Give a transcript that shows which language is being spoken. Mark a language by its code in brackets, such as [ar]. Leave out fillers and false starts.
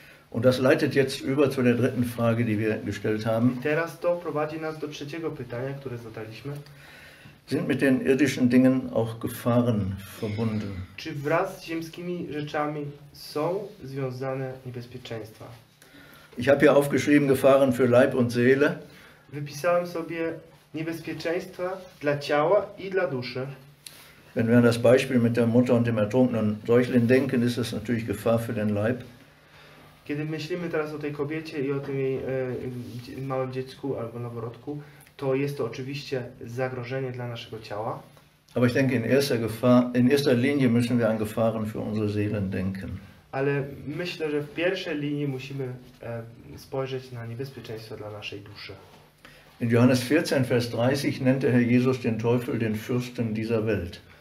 [de] Und das leitet jetzt über zu der dritten Frage, die wir gestellt haben. [pl] I teraz to prowadzi nas do trzeciego pytania, które zadaliśmy. [de] Sind mit den irdischen Dingen auch Gefahren verbunden? [pl] Czy wraz z ziemskimi rzeczami są związane niebezpieczeństwa? [de] Ich habe hier aufgeschrieben Gefahren für Leib und Seele. [pl] Wypisałem sobie niebezpieczeństwa dla ciała i dla duszy. [de] Wenn wir an das Beispiel mit der Mutter und dem ertrunkenen Säugling denken, ist das natürlich Gefahr für den Leib. [pl] Kiedy myślimy teraz o tej kobiecie i o tym jej małym dziecku albo noworodku, to jest to oczywiście zagrożenie dla naszego ciała. [de] Aber ich denke, in erster Linie müssen wir an Gefahren für unsere Seelen denken. [pl] Ale myślę, że w pierwszej linii musimy spojrzeć na niebezpieczeństwo dla naszej duszy. [de] In Johannes 14, Vers 30 nennt der Herr Jesus den Teufel den Fürsten dieser Welt.